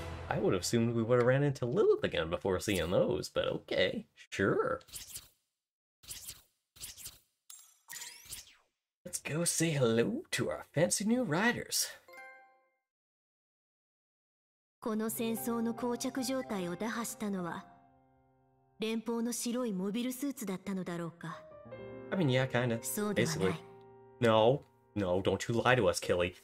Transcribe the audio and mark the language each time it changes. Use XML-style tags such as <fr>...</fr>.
<en>I would have assumed we would have ran into Lilith again before seeing those, but okay, sure. Let's go say hello to our fancy new riders.</en> <ja>この戦争の膠着状態を打破したのは連邦の白いモビルスーツだったのだろうか。</ja> <en>I mean, yeah, kinda.</en> <ja>そうではない。</ja> <en>No, no, don't you lie to us, Killy.</en>